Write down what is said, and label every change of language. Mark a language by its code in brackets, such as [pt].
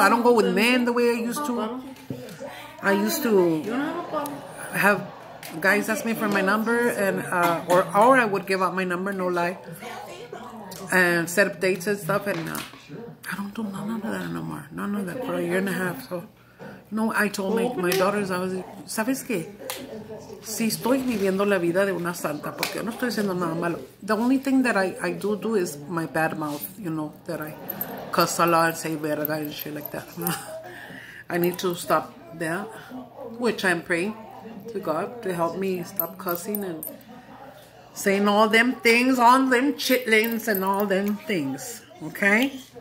[en] I don't go with men the way I used to. I used to have guys ask me for my number, and or I would give out my number, no lie, and set up dates and stuff. And I don't do none of that no more. None of that for a year and a half. So. No, I told my daughters, I was like, [es] ¿sabes qué? Si estoy viviendo la vida de una santa, porque no estoy haciendo nada malo. [en] The only thing that I do is my bad mouth, you know, that I cuss a lot, say verga and shit like that. I need to stop that, which I'm praying to God to help me stop cussing and saying all them things, all them chitlins and all them things, okay?